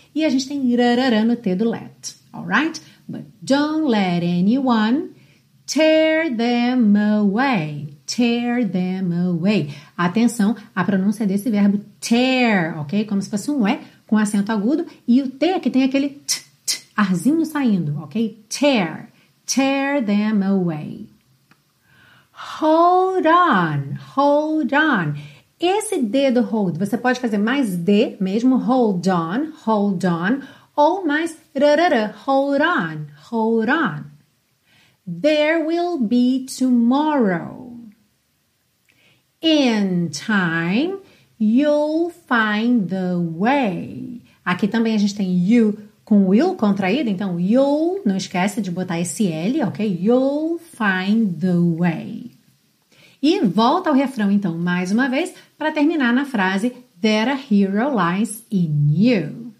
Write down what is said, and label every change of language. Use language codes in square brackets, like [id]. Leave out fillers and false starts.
[pt] E a gente tem rarara no T do let. [en] Alright? But don't let anyone tear them away. Tear them away. [pt] Atenção à pronúncia desse verbo tear, ok? Como se fosse um E com acento agudo. E o T aqui tem aquele t, t, arzinho saindo, ok? Tear. [en] Tear them away. Hold on, hold on. [pt] Esse D do hold, você pode fazer mais D mesmo, hold on, hold on, ou mais rarara, hold on, hold on. [en] There will be tomorrow. In time, you'll find the way. [pt] Aqui também a gente tem you com will contraído, então you'll, não esquece de botar esse L, ok? You'll find the way. E volta ao refrão, então, mais uma vez, para terminar na frase [en] There a hero lies in you.